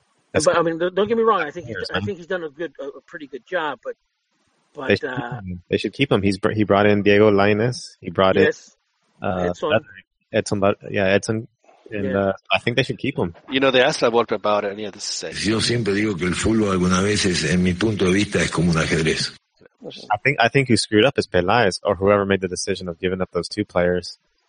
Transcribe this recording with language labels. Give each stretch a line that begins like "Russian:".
English: That's but cool. I mean, don't get me wrong. I think he's done a pretty good job, but they should keep him. He brought in Diego Lainez. He brought in Edson, I think they should keep him. You know, they asked La Volpe about it, and yeah, this is safe.
Spanish: Yo siempre digo que el fútbol alguna veces, en mi punto de vista, es como un ajedrez.
English: I think who screwed up is Peláez, or whoever made the decision of giving up those two players.